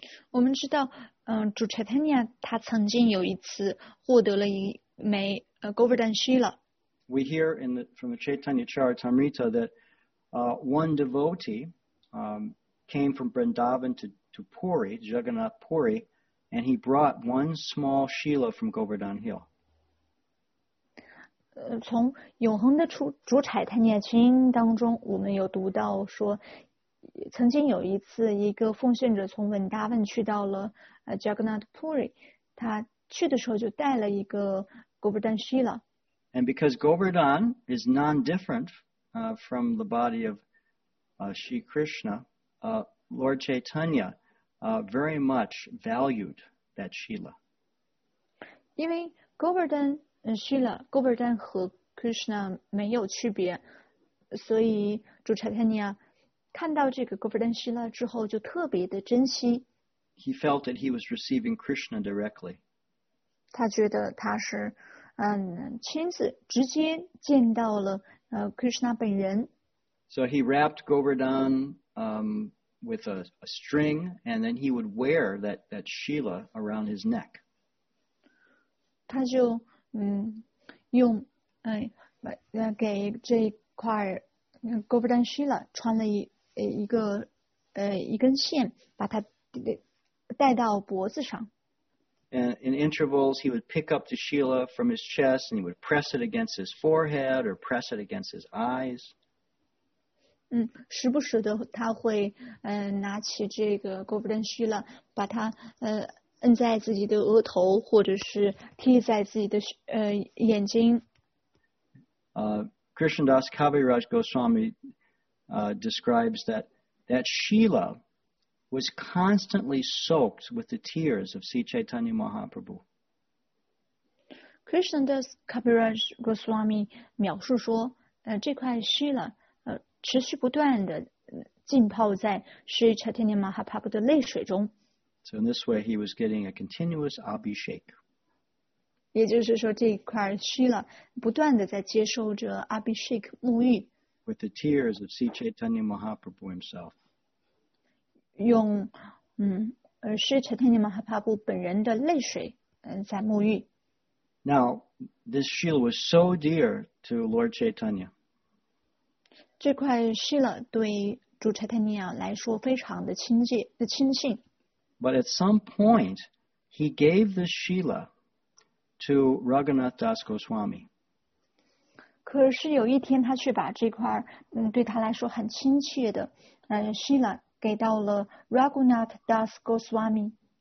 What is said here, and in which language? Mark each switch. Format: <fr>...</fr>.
<zh>我们知道，主 Chaitanya 他曾经有一次获得了一枚Govardhan Shila.</zh> <en>We hear from the Chaitanya Charitamrita that one devotee came from Vrindavan to Puri, Jagannath Puri, and he brought one small Shila from Govardhan Hill.</en> <zh>从永恒的主柴坦尼亚经当中，我们有读到说，曾经有一次，一个奉献者从文达文去到了Jagannath Puri， 他去的时候就带了一个 Govardhan Shila。</zh> <en>And because Govardhan is non-different from the body of Shri Krishna, Lord Chaitanya very much valued that Shila.</en> <zh>因为 Govardhan。 Shila, Govardhan 和 Krishna 没有区别，所以主 Chaitanya 看到这个 Govardhan Shila 之后就特别的珍惜。</zh> <en>He felt that he was receiving Krishna directly.</en> <zh>他觉得他是亲自直接见到了Krishna 本人。</zh> <en>So he wrapped Govardhan with a string and then he would wear that Shila around his neck.</en> <zh>他就用给这一块 Govardhan Shila 穿了一根线，把它戴到脖子上。</zh> <en>And in intervals, he would pick up the shila from his chest and he would press it against his forehead or press it against his eyes.</en> <zh>时不时的他会拿起这个 Govardhan Shila, 把它摁在自己的额头或者是贴在自己的眼睛。</zh> <en>Krishnadas Kaviraj Goswami describes that shila was constantly soaked with the tears of Sri Chaitanya Mahaprabhu.</en> <zh>Krishnadas Kaviraj Goswami 描述说，这块 Shila 持续不断的浸泡在 Sri Chaitanya Mahaprabhu 的泪水中。</zh> <en>So in this way, he was getting a continuous Abhishek.</en> <zh>也就是说，这块 Shila 不断的在接受着 Abhishek 沐浴。</zh> <en>With the tears of Sri Chaitanya Mahaprabhu himself.</en> <zh>用是 Chaitanya Mahaprabhu 本人的泪水在沐浴。</zh> <en>Now, this shila was so dear to Lord Chaitanya.</en> <zh>这块 shila 对主 Chaitanya 来说非常的亲近。</zh> <en>But at some point, he gave this shila to Raghunath Das Goswami.</en> <zh>可是有一天他却把这块对他来说很亲切的shila 给到了 Raghunath Das Goswami.</zh>